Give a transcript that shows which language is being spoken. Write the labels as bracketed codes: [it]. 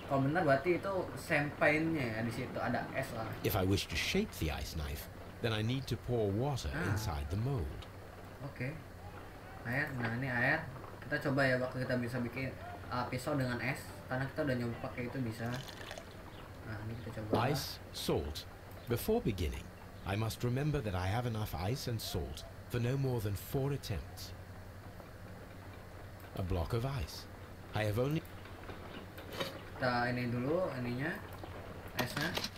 [id] Kalau benar berarti itu champagne-nya ya, di situ ada es lah. [en] If I wish to shape the ice knife, then I need to pour water inside the mold. [id] Oke. Okay. Air, nah ini air. Kita coba ya, apakah kita bisa bikin pisau dengan es karena kita udah nyoba pakai itu bisa. Nah, ini kita coba. [en] Ice, salt. Before beginning, I must remember that I have enough ice and salt for no more than 4 attempts. A block of ice. I have only. [id] Kita ini dulu ininya esnya.